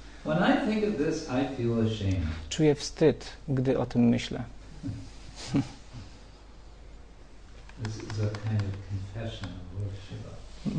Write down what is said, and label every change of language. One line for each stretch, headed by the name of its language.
English: When I think of this, I feel ashamed.
Polish: Czuję wstyd, gdy o tym myślę.
English: This is a kind of confession of Lord Shiva.